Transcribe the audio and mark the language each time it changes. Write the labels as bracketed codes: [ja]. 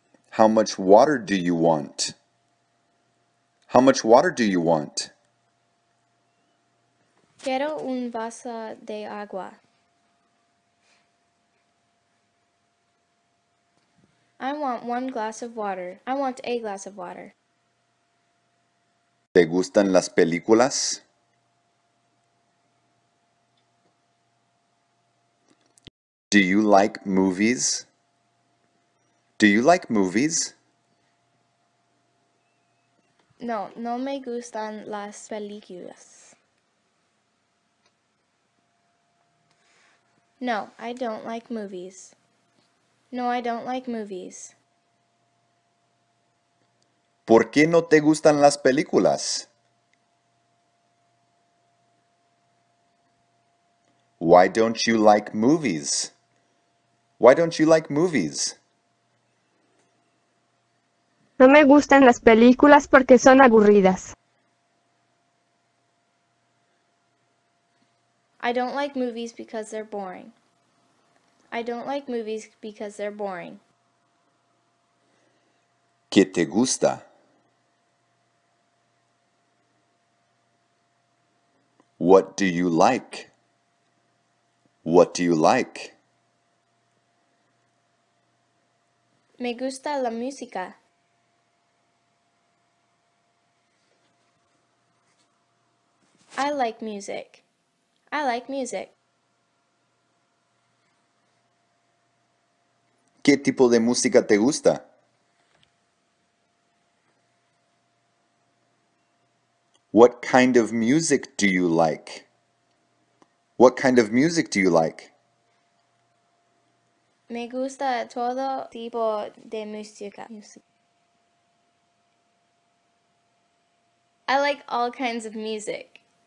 [en] How much water do you want? How much water do you want? [es] Quiero un vaso de agua. [en] I want one glass of water. I want a glass of water. [es] ¿Te gustan las películas? [en] Do you like movies? Do you like movies? [es] No, no me gustan las películas. [en] No, I don't like movies. No, I don't like movies. [es] ¿Por qué no te gustan las películas? [en] Why don't you like movies? Why don't you like movies? [es] No me gustan las películas porque son aburridas. [en] I don't like movies because they're boring. I don't like movies because they're boring. [es] ¿Qué te gusta? [en] What do you like? What do you like? [es] Me gusta la música. [en] I like music. I like music. [es] ¿Qué tipo de música te gusta? [en] What kind of music do you like? What kind of music do you like? [es] Me gusta todo tipo de música. [en] I like all kinds of music.